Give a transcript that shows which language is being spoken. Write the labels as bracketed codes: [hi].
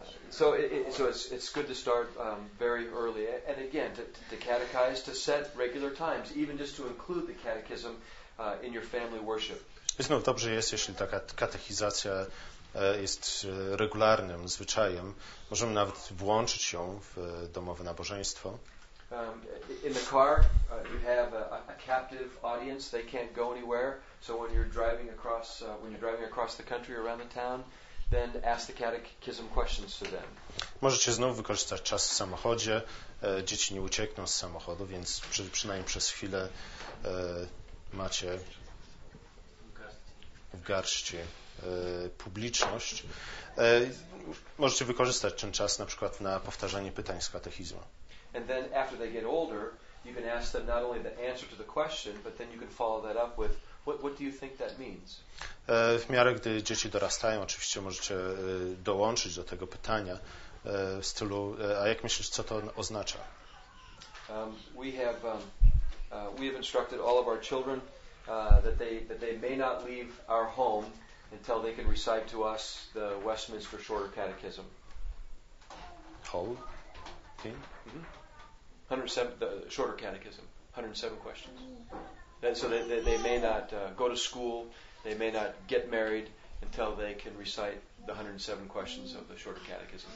[en] So it's good to start very early, and again to catechize, to set regular times, even just to include the catechism in your family worship. [pl] Znów dobrze jest, jeśli taka katechizacja jest regularnym zwyczajem. Możemy nawet włączyć ją w domowe nabożeństwo. [en] In the car you have a captive audience. They can't go anywhere. So when you're driving across the country around the town, then ask the catechism questions to them. [pl] Możecie znowu wykorzystać czas w samochodzie. Dzieci nie uciekną z samochodu, więc przynajmniej przez chwilę macie w garści publiczność. Możecie wykorzystać ten czas na przykład na powtarzanie pytań z katechizmu. [en] And then after they get older, you can ask them not only the answer to the question, but then you can follow that up with what do you think that means? [pl] W miarę gdy dzieci dorastają, oczywiście możecie dołączyć do tego pytania w stylu a jak myślisz, co to oznacza? [en] We have instructed all of our children that they may not leave our home until they can recite to us the Westminster Shorter Catechism. Whole thing? The Shorter Catechism, 107 questions. And so they may not go to school, they may not get married until they can recite the 107 questions of the Shorter Catechism.